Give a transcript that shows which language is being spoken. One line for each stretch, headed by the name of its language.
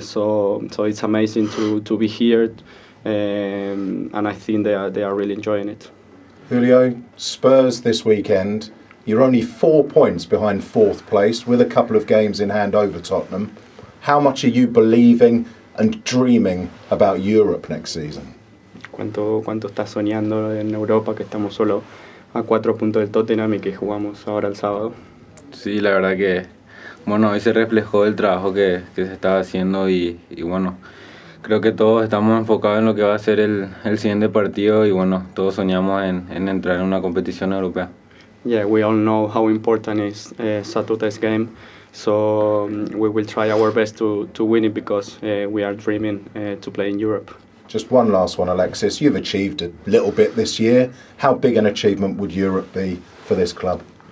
English: So it's amazing to be here. And I think they are really enjoying it. Julio, Spurs this weekend. You're only 4 points behind fourth place with a couple of games in hand over Tottenham. How much are you believing and dreaming about Europe next season?
Spanish: ¿Cuánto estás soñando en Europa que estamos solo a 4 puntos del Tottenham y que jugamos ahora el sábado? Sí, la verdad que bueno, hoy se reflejó el trabajo que se estaba haciendo y bueno, creo que todos estamos enfocados en lo que va a ser el siguiente partido y bueno, todos soñamos en entrar en una competición europea.
English: Yeah, we all know how important is Saturday's game. So we will try our best to win it because we are dreaming to play in Europe. Just one last one, Alexis. You've achieved a little bit this year. How big an achievement would Europe be for this club?